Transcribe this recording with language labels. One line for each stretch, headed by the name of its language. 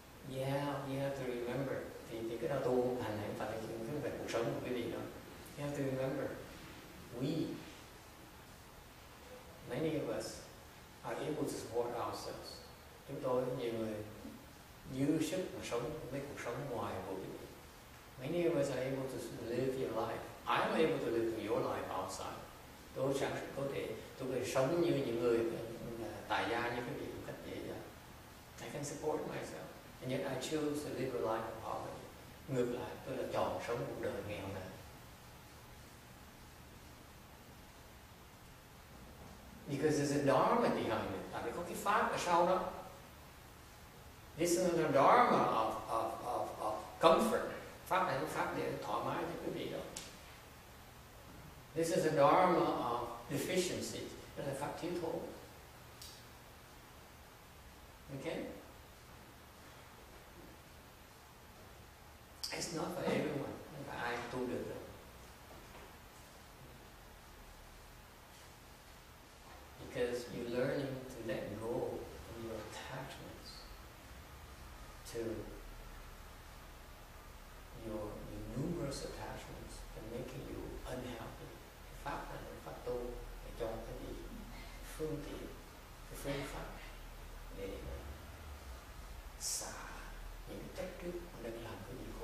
English: Yeah, you have to remember.
Vietnamese: Thì cái đạo tu hành hạnh phải chứ không phải cuộc sống của quý vị đó.
English: You have to remember, we, many of us, are able to support ourselves.
Vietnamese: Chúng tôi nhiều người dư sức mà sống với cuộc sống ngoài của quý vị.
English: Many of us are able to live your life. I'm able to live your life outside.
Vietnamese: Tôi sẵn sàng có thể, tôi có thể sống như những người tại gia như quý vị một cách dễ dàng.
English: I can support myself. And yet I choose to live a life of poverty.
Vietnamese: Ngược lại, tôi đã chọn sống cuộc đời nghèo nàn.
English: Because there's a dharma behind it.
Vietnamese: Tại vì có cái pháp ở sau đó.
English: This is a dharma of comfort.
Vietnamese: Pháp này là pháp để thoải mái cho quý vị đó.
English: This is a dharma of deficiency.
Vietnamese: Đó là pháp thiếu thốn.
English: Okay? It's not for everyone, but I do do that. Because you're learning to let go of your attachments to your numerous attachments and making you unhappy.
Vietnamese: Pháp là những pháp tu để cho cái gì? Phương tiện, cái phương pháp để xả những cái trách trước mà đang làm cái gì.